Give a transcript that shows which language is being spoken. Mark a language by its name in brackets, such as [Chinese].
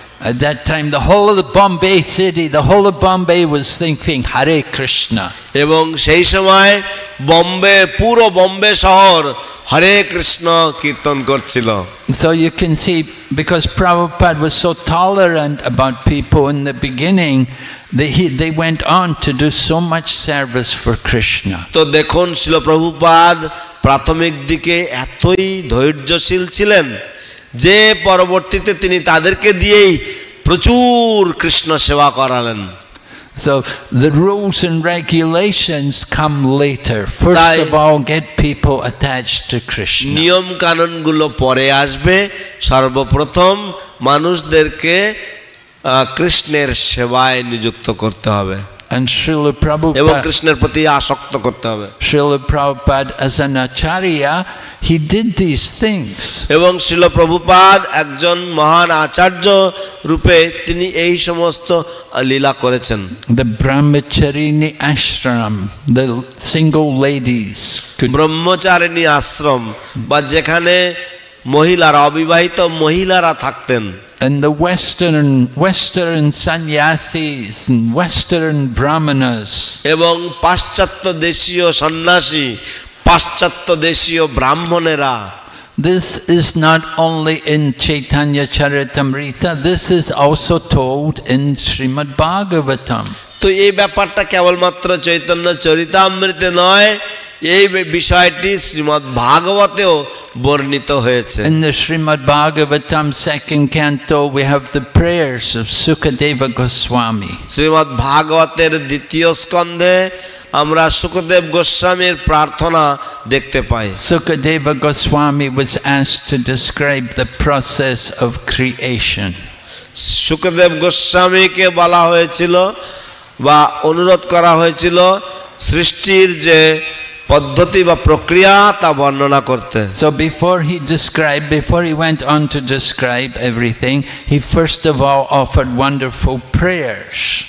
[English] At that time, the whole of the Bombay city, the whole of Bombay was thinking Hare Krishna. [Bangla] এবং সেই সময় বোম্বে পুরো বোম্বে শহর হরে কৃষ্ণ কীর্তন করছিল. [English] So you can see, because Prabhupada was so tolerant about people in the beginning, they went on to do so much service for Krishna. [Bangla] তো দেখুন ছিল প্রভুপাদ প্রাথমিক দিকে এতই ধৈর্যশীল ছিলেন যে পরবর্তীতে তিনি তাদেরকে দিয়েই প্রচুর কৃষ্ণ সেবা করালেন [English] So the rules and regulations come later. First of all, get people attached to Krishna. [Bangla] নিয়ম কানুন গুলো পরে আসবে সর্বপ্রথম মানুষদেরকে কৃষ্ণের সেবায় নিযুক্ত করতে হবে [English] And Srila Prabhupada [Bangla] এবং কৃষ্ণের প্রতি আসক্ত করতে হবে [English] Srila Prabhupada as an acharya he did these things [Bangla] এবং Srila Prabhupada একজন মহান আচার্য রূপে তিনি এই সমস্ত লীলা করেছেন [English] the brahmacharini ashram the single ladies [Bangla] could brahmacharini ashram বা যেখানে মহিলারা অবিবাহিত মহিলারা থাকতেন [English] And the western sannyasis and western brahmanas. [Bangla] এবং পাশ্চাত্য দেশীয় সন্ন্যাসী পাশ্চাত্য দেশীয় ব্রাহ্মণেরা [English] This is not only in Chaitanya Charitamrita, this is also told in Srimad Bhagavatam. [Bangla] তো এই ব্যাপারটা কেবলমাত্র চৈতন্য চরিতামৃতে নয় এই বিষয়টি শ্রীমদ্ ভাগবতেও বর্ণিত হয়েছে [English] In the Srimad Bhagavatam second canto we have the prayers of Sukadeva Goswami [Bangla] Shrimad ভাগবতের দ্বিতীয় স্কন্ধে আমরা সুখদেব গোস্বামীর প্রার্থনা দেখতে পাই [English] Sukadeva Goswami was asked to describe the process of creation [Bangla] Sukhdev গোস্বামীকে বলা হয়েছিল বা অনুরোধ করা হয়েছিল সৃষ্টির যে পদ্ধতি বা প্রক্রিয়া তা বর্ণনা করতে [English] so before he describe before he went on to describe everything he first of all offered wonderful prayers